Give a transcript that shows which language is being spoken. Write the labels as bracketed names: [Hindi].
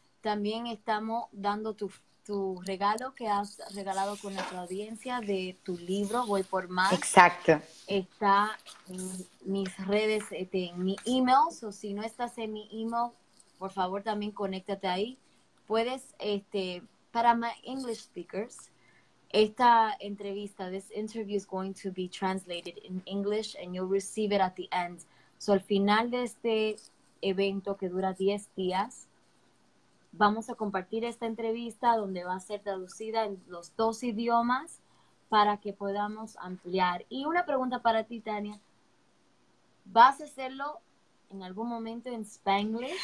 [Spanish] También estamos dando tu regalo que has regalado con nuestra audiencia de tu libro, Voy por Más. Exacto. Está en mis redes, en mi email. O si no estás en mi email, por favor, también conéctate ahí. Puedes, para [English] my English speakers, [Spanish] esta entrevista, [English] this interview is going to be translated in English and you'll receive it at the end. [Spanish] So al final de este evento que dura 10 días, vamos a compartir esta entrevista donde va a ser traducida en los 2 idiomas para que podamos ampliar. Y una pregunta para ti, Tania. ¿Vas a hacerlo en algún momento en Spanglish?